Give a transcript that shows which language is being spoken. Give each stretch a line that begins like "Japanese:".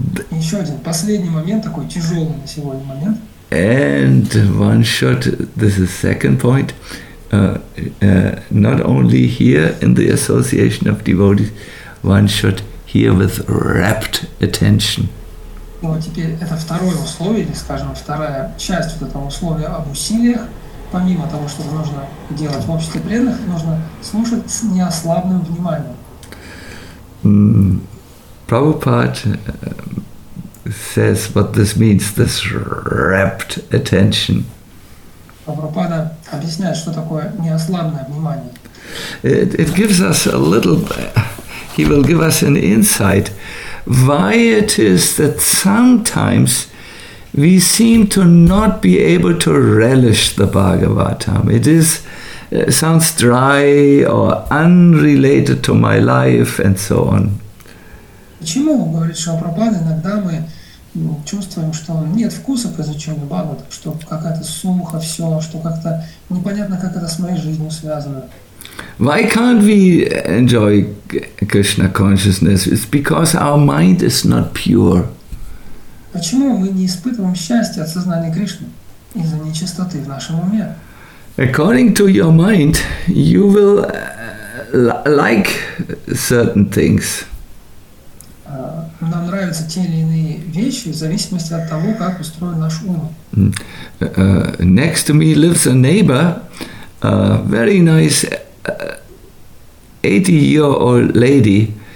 Russian: Еще один последний момент, такой тяжелый на сегодня момент.
English: And one should, this is second point, not only hear in the association of devotees, one should hear with rapt attention.
Russian: Ну, а теперь это второе условие, или, скажем, вторая часть вот этого условия об усилиях. Помимо того, что нужно делать в обществе преданных, нужно слушать с неослабным вниманием.
English: Prabhupada says what this means, this rapt attention.
Russian: Prabhupada объясняет, что такое неослабное внимание.
English: It gives us a little, he will give us an insight why it is that sometimes we seem to not be able to relish the Bhagavatam. It sounds dry or unrelated to my life and so on.
Russian: Почему, говорит Шрила Прабхупада, иногда мы чувствуем, что нет вкуса к изучению Бхагавата, что какая-то сумха, все, что как-то непонятно, как это с моей жизнью связано.
English: Why can't we enjoy Krishna consciousness? It's because our mind is not pure.
Russian: Почему мы не испытываем счастья от сознания Кришны из-за нечистоты в нашем уме?
English: According to your mind, you will like certain things.
Russian: Нам нравятся те или иные вещи в зависимости от того, как устроен наш ум.
English: Next to me lives a neighbor, a very nice 80-year-old lady.